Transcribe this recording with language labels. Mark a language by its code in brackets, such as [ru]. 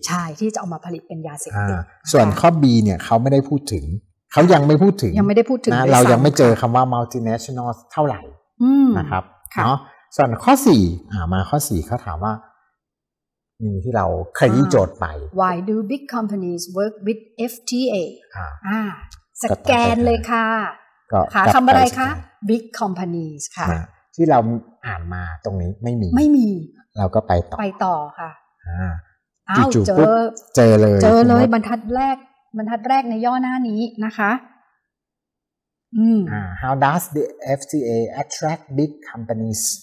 [th] ใช่ที่จะเอามาผลิตเป็นยาเสพติด ส่วนข้อ B เนี่ยเขาไม่ได้พูดถึงเขายังไม่พูดถึง ยังไม่ได้พูดถึง นะเรายังไม่เจอคำว่า multinational เท่าไหร่นะครับเนาะส่วนข้อ4มาข้อ4เขาถามว่ามีที่เราเคยยื่นโจทย์ไป [en] Why do big companies work with FTA [th] สแกนเลยค่ะ ค่ะคำอะไรคะ [en] big companies [th] ค่ะ ที่เราอ่านมาตรงนี้ไม่มี ไม่มี เราก็ไปต่อ ไปต่อค่ะ จู่ๆเจอเลย เจอเลยบรรทัดแรกในย่อหน้านี้นะคะ [en] How does the FTA attract big companies